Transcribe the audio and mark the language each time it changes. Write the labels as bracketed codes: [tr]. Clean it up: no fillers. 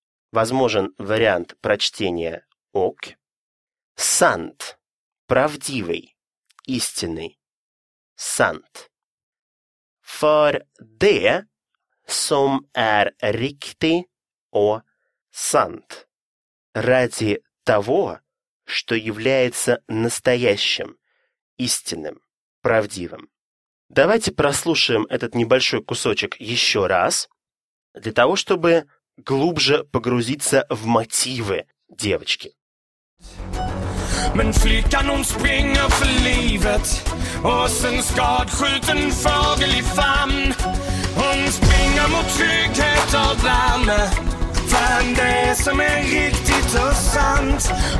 [ru] Возможен вариант прочтения ок. Sant, правдивый, истинный. [sv] Sant. För det som är riktigt och sant. [ru] Ради того, что является настоящим, истинным, правдивым. Давайте прослушаем этот небольшой кусочек еще раз, для того, чтобы глубже погрузиться в мотивы девочки. [sv] Men flyg kan hon springa för livet och sen skadskjuten fågel i famn. Hon springer mot trygghet och värme från det som är riktigt och sant.